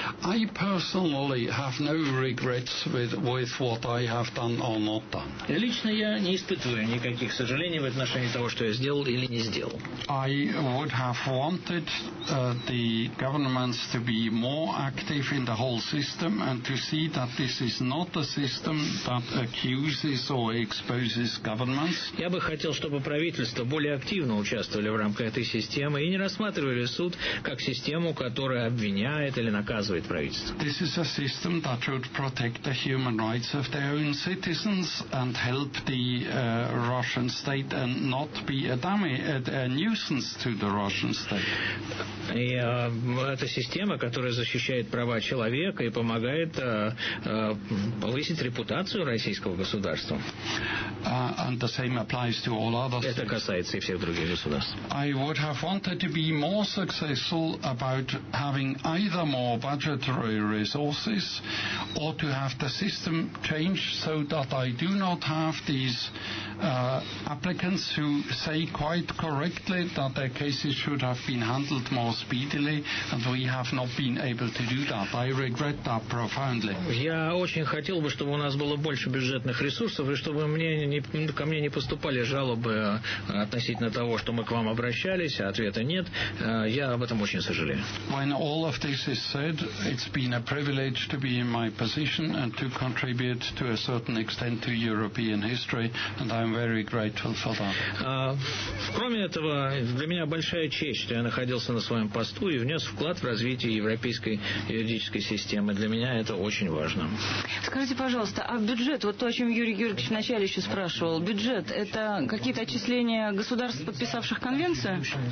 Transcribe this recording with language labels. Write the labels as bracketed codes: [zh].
[en] I personally have no regrets with what I have done or not done. [ru] Лично я не испытываю никаких сожалений в отношении того, что я сделал или не сделал. [en] I would have wanted the governments to be more active in the whole system and to see that this is not a system that accuses or exposes governments. [ru] Я бы хотел, чтобы правительства более активно участвовали в рамках этой системы и не рассматривали суд как систему, которая обвиняет или наказывает правительство. [en] This is a system that should protect the human rights of their own citizens and help the Russian state and not be a dummy, a nuisance to the Russian state. [ru] И это система, которая защищает права человека и помогает повысить репутацию российского государства. [en] And the same applies to all other states. [ru] Это касается и всех других государств. [en] I would have wanted to be more successful about having either more budgetary resources or to have the system changed so that I do not have these applicants who say quite correctly that their cases should have been handled more speedily, and we have not been able to do that. I regret that profoundly. [ru] Я очень хотел бы, чтобы у нас было больше бюджетных ресурсов и чтобы ко мне не поступали жалобы относительно того, что мы к вам обращались, а ответа нет. Я об этом очень сожалею. [en] When all of this is said, it's been a privilege to be in my position and to contribute to a certain extent to European history, and I'm very grateful for that. [ru] Кроме этого, для меня большая честь, что я находился на своем посту и внес вклад в развитие европейской юридической системы. Для меня это очень важно. Скажите, пожалуйста, а бюджет, вот то, о чем Юрий Георгиевич вначале еще спрашивал, бюджет – это какие-то отчисления государств, подписавших конвенцию?